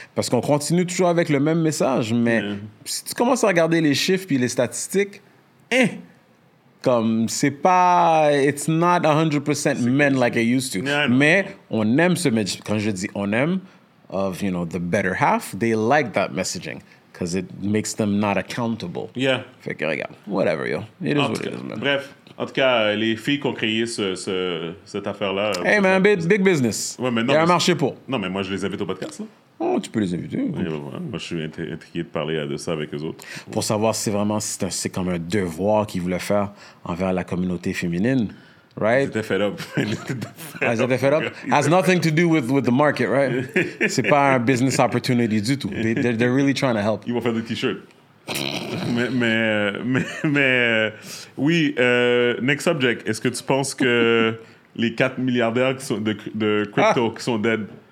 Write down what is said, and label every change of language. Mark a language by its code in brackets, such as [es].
[fr] Parce qu'on continue toujours avec le même message. Mais si tu commences à regarder les chiffres puis les statistiques, comme c'est pas... [en] It's not 100% men like it used to. [fr] Mais on aime ce message. Quand je dis on aime, [en] of, you know, the better half, they like that messaging. Because it makes them not accountable. Yeah. [fr] Fait que regarde, [en] whatever, yo. It is what it is, man. [fr] Bref. En tout cas, les filles qui ont créé cette affaire-là... [en] Hey, man, big business. [fr] Ouais, mais non, il y a un marché pour. Non, mais moi, je les invite au podcast, là. Oh, tu peux les inviter. Ouais, bah, ouais. Moi, je suis intrigué de parler de ça avec eux autres. Pour savoir si vraiment c'est comme un devoir qu'ils voulaient faire envers la communauté féminine, right? J'étais [en] fed up. [fr] J'étais [en] fed up. Has nothing to do with the market, right? [fr] C'est pas un business opportunity du tout. [en] They're really trying to help. [fr] Ils vont faire des t-shirts. Mais oui, [en] next subject, [fr] est-ce que tu penses que les 4 milliardaires de crypto qui sont dead,